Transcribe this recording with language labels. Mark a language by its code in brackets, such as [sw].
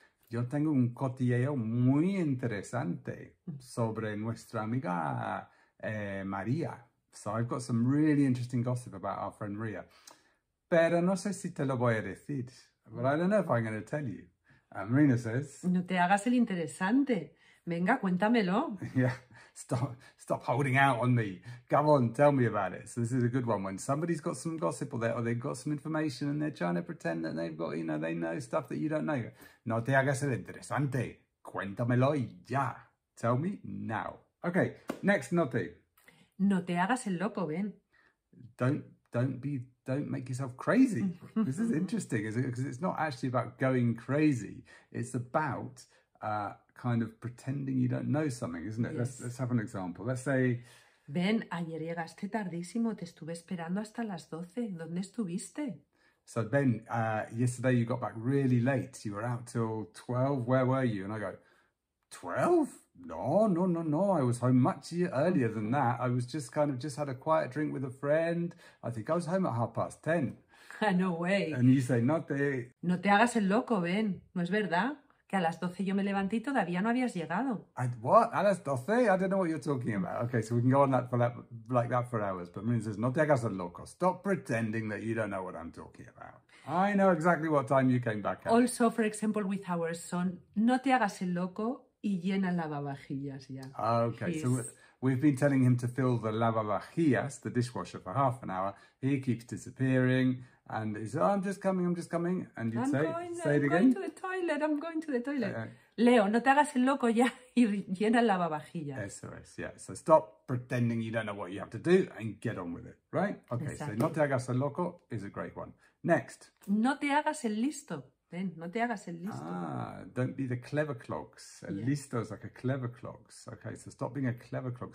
[es] Yo tengo un cotilleo muy interesante sobre nuestra amiga María. [en] So I've got some really interesting gossip about our friend María. [es] Pero no sé si te lo voy a decir. [en] But I don't know if I'm going to tell you. And Marina says, [es] No te hagas el interesante. Venga, cuéntamelo. [en] yeah, stop holding out on me. Come on, tell me about it. So this is a good one. When somebody's got some gossip or they've got some information and they're trying to pretend that they've got, you know, they know stuff that you don't know. [es] No te hagas el interesante. Cuéntamelo ya. [en] Tell me now. Okay, next note. [es] No te hagas el loco, ven. [en] Don't make yourself crazy. This is interesting, is it? Because it's not actually about going crazy. It's about kind of pretending you don't know something, isn't it? Yes. Let's have an example. Let's say, [es] Ben, ayer llegaste tardísimo, te estuve esperando hasta las 12. ¿Dónde estuviste? [en] so Ben, yesterday you got back really late. You were out till 12. Where were you? And I go, 12? No. I was home much earlier than that. I was just kind of just had a quiet drink with a friend. I think I was home at 10:30. No And way. you say, not the. [es] No te hagas el loco, Ben. No es verdad. Que a las 12 yo me levanté y todavía no habías llegado. [en] What? [es] A las 12? [en] I don't know what you're talking about. Okay, so we can go on that for that, like that for hours. But Marina says, [es] no te hagas el loco. [en] Stop pretending that you don't know what I'm talking about. I know exactly what time you came back at. Also, for example, with our son, [es] no te hagas el loco. y llena lavavajillas ya. [en] Okay, he's, so we've been telling him to fill the lavavajillas, the dishwasher, for half an hour. He keeps disappearing and he's, oh, I'm just coming. And you'd I'm going to the toilet. [es] Leo, no te hagas el loco ya y llena el lavavajillas. Eso es, [en] yeah. So stop pretending you don't know what you have to do and get on with it, right? Okay, exactly. So [es] no te hagas el loco [en] is a great one. Next. [es] No te hagas el listo. Ven, no te hagas el listo. [en] Ah, don't be the clever clogs. El yeah. listo is like a clever clogs. Okay, so stop being a clever clog.